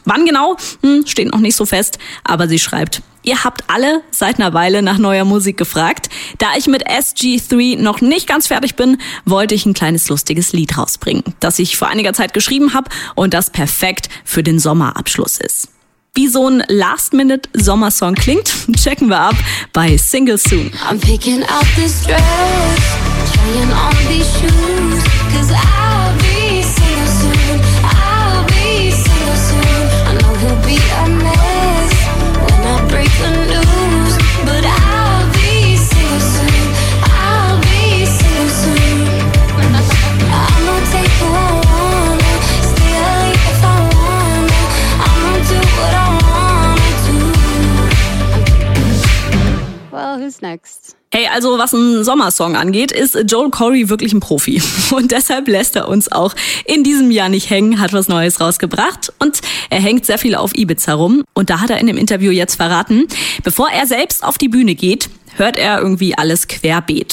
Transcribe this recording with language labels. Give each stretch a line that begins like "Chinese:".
German: Wann genau, steht noch nicht so fest, aber sie schreibt: Ihr habt alle seit einer Weile nach neuer Musik gefragt. Da ich mit SG3 noch nicht ganz fertig bin, wollte ich ein kleines lustiges Lied rausbringen, das ich vor einiger Zeit geschrieben habe und das perfekt für den Sommerabschluss ist. Wie so ein Last-Minute-Sommersong klingt, checken wir ab bei Single Soon.
English: I'm picking out this dress, trying on these shoes, cause I'll be single soon, I'll be single soon. I know he'll be a mess when I break the news, but I'll be single soon, I'll be single soon. I'm gonna take what I wanna, stay late if I wanna, I'm gonna do what I wanna do. Well, who's next?
German: Hey, also was einen Sommersong angeht, ist Joel Corey wirklich ein Profi. Und deshalb lässt er uns auch in diesem Jahr nicht hängen, hat was Neues rausgebracht. Und er hängt sehr viel auf Ibiza rum. Und da hat er in dem Interview jetzt verraten, bevor er selbst auf die Bühne geht, hört er irgendwie alles querbeet.